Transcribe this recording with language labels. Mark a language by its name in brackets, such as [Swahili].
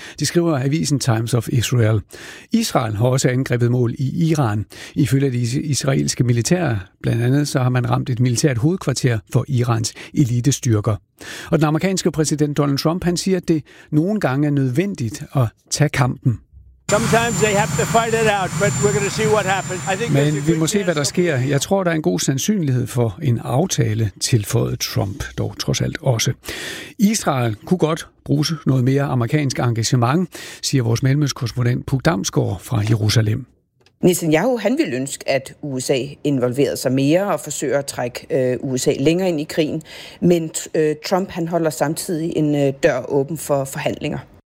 [Danish] Det skriver avisen Times of Israel. Israel har også angrebet mål i Iran. Ifølge de israelske militære, blandt andet, så har man ramt et militært hovedkvarter for Irans elitestyrker. Og den amerikanske præsident Donald Trump, han siger, at det nogle gange er nødvendigt at tage kampen. [English] Sometimes they have to fight it out, but we're going to see what happens. I think [Danish] men vi må se, hvad der sker. Jeg tror, der er en god sandsynlighed for en aftale, tilføjede Trump dog trods alt også. Israel kunne godt bruge noget mere amerikansk engagement, siger vores mellemøstkorrespondent Puk Damsgaard fra Jerusalem. Netanyahu, han vil ønske, at USA involverede sig mere og forsøger at trække USA længere ind i krigen, men Trump, han holder samtidig en dør åben for forhandlinger.